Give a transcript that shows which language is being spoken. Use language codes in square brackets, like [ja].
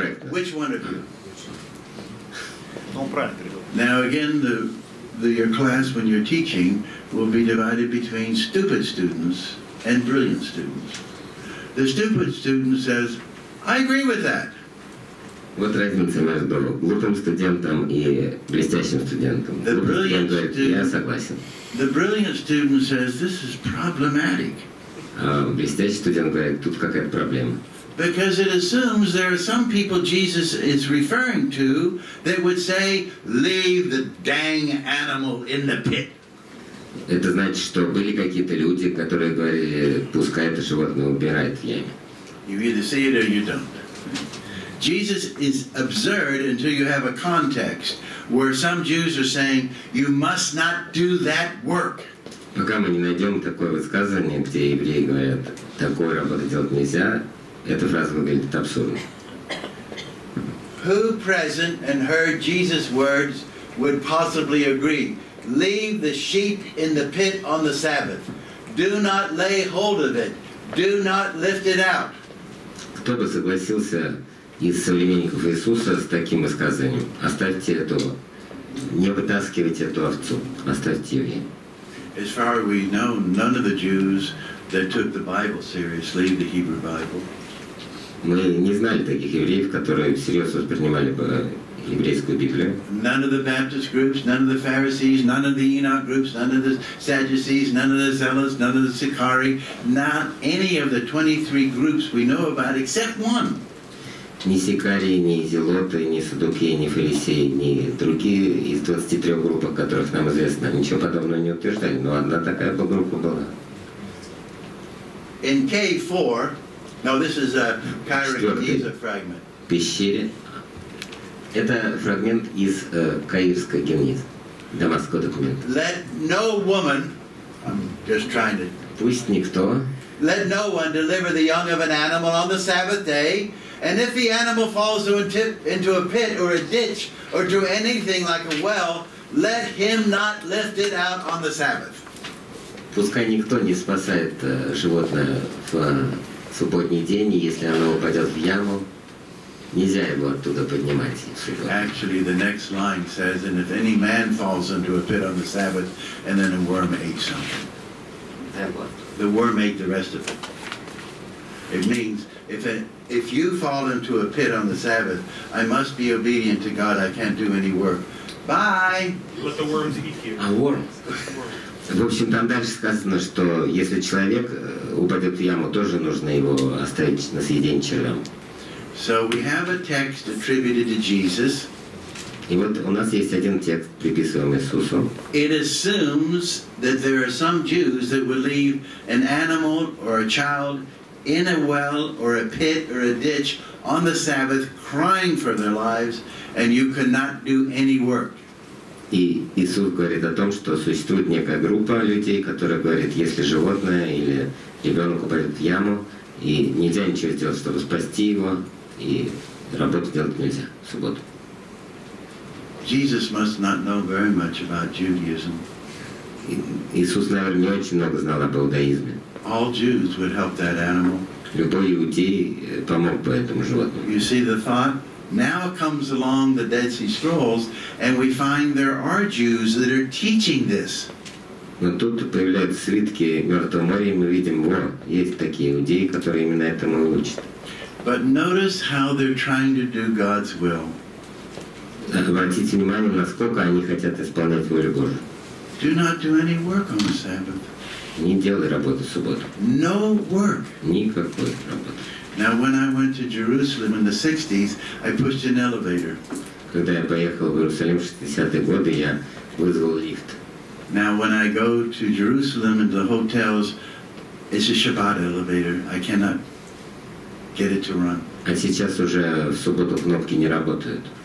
[en] which one of you? Now again, your class when you're teaching will be divided between stupid students and brilliant students. The stupid student says, "I agree with that." [ru] Вот разница между глупым студентом и блестящим студентом. [en] The brilliant [ru] говорит, [en] student says, "This is problematic." [ru] блестящий студент говорит, тут какая-то проблема. [en] Because it assumes there are some people Jesus is referring to that would say, leave the dang animal in the pit. [ru] Это значит, что были какие-то люди, которые говорили, пускай это животное убирает в яме. [en] You either see it or you don't. Jesus is absurd until you have a context where some Jews are saying, you must not do that work. [ru] Пока мы не найдем такое высказывание, где евреи говорят, такую работу делать нельзя, эта фраза выглядит абсурдно. [en] Who present and heard Jesus' words would possibly agree? Leave the sheep in the pit on the Sabbath. Do not lay hold of it. Do not lift it out. [ru] Кто бы согласился из современников Иисуса с таким высказыванием? Оставьте эту, не вытаскивайте эту овцу, оставьте ее. [en] As far as we know, none of the Jews that took the Bible seriously, the Hebrew Bible. [ru] Мы не знали таких евреев, которые всерьез воспринимали бы еврейскую Библию. [en] None of the Baptist groups, none of the Pharisees, none of the Enoch groups, none of the Sadducees, none of the Zealots, none of the Sicarii, not any of the 23 groups we know about, except one. [ru] Ни Сикарии, ни Зелоты, ни Садукеи, ни Фарисеи, ни другие из 23 групп, о которых нам известно, ничего подобного не утверждали, но одна такая бы группа была. [en] In K4, no, this is a Cairo-Giza fragment. [ru] В пещере. Это фрагмент из Каирской Гемнизы, Дамасского документа. [en] Let no woman, I'm just trying to... [ru] Пусть никто... [en] Let no one deliver the young of an animal on the Sabbath day, and if the animal falls into a pit or a ditch or to anything like a well, let him not lift it out on the Sabbath. [ru] Пускай никто не спасает животное в субботний день, если оно упадет в яму, нельзя его оттуда поднимать. [en] Actually, the next line says, and if any man falls into a pit on the Sabbath, and then a worm ate something. The worm ate the rest of it. It means if you fall into a pit on the Sabbath, I must be obedient to God. I can't do any work. Bye. Let the worms eat you. А worm. [ru] В общем, там дальше сказано, что если человек упадет в яму, тоже нужно его оставить на съедение червям. [en] So we have a text attributed to Jesus. [ru] И вот у нас есть один текст, приписываемый Иисусу. [en] It assumes that there are some Jews that would leave an animal or a child in a well or a pit or a ditch on the Sabbath, crying for their lives, and you could not do any work. [ru] И Иисус говорит о том, что существует некая группа людей, которая говорит, если животное или ребенок упадет в яму, и нельзя ничего сделать, чтобы спасти его, и работу делать нельзя в субботу. [en] Jesus must not know very much about Judaism. [ru] Иисус, наверное, не очень много знал об иудаизме. [en] All Jews would help that animal. [ru] Любой иудей помог бы этому животному. [en] You see the thought? Now comes along the Dead Sea Scrolls, and we find there are Jews that are teaching this. [ru] Но тут появляются свитки Мертвого моря, и мы видим, во, есть такие иудеи, которые именно этому учат. [en] But notice how they're trying to do God's will. [ru] Обратите внимание, насколько они хотят исполнять волю Божию. [en] Do not do any work on the Sabbath. [ru] Не делай работу в субботу. [en] No work. [ru] Никакой работы. [en] Now, when I went to Jerusalem in the 60s, I pushed an elevator. [ru] Когда я поехал в Иерусалим в 60-е годы, я вызвал лифт. [en] Now, when I go to Jerusalem and the hotels, it's a Shabbat elevator. I cannot get it to run. [ru] А сейчас уже в субботу кнопки не работают.